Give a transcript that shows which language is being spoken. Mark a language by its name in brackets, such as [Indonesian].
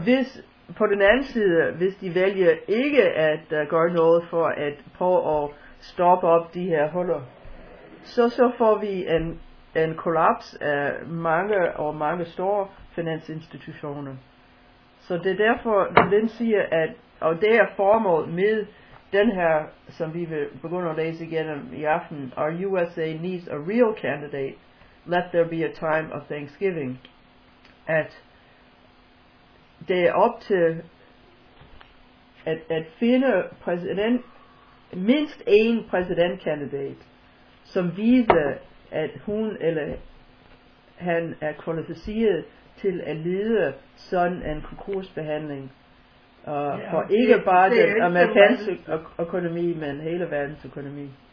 [Danish] Hvis på den anden side, hvis de vælger ikke at gøre noget for at prøve at stoppe op de her huller, så får vi en kollaps af mange og mange store finansinstitutioner. Så det er derfor, den siger, at og det er formålet med den her, som vi vil begynde at læse igennem i aften. [English] Our USA needs a real candidate. Let there be a time of Thanksgiving. [Danish] At det er op til at finde præsident, mindst en præsidentkandidat, som viser, at hun eller han er kvalificeret til at lede sådan en konkursbehandling for ikke bare den amerikanske økonomi, men hele verdens økonomi.